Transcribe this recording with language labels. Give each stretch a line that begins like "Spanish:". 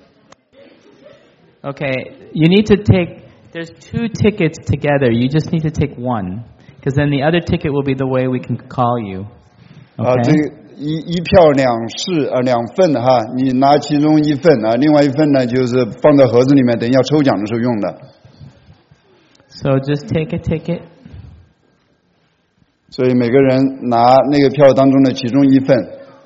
Chinese: 我们现在有一个游戏哈，游戏呢，我们需要拿到一张票，蓝我们会发票下来，蓝色的票在这半边，红色票在这半边。Okay,
English: you need to take. There's two tickets together. You just need to take one, because then the other ticket will be the way we can call you. Okay.
Chinese: 一票两份，你拿其中一份，另外一份就是放在盒子里面，等一下抽奖的时候用的。So
English: just take a ticket.
Chinese: 所以每个人拿那个票当中的其中一份。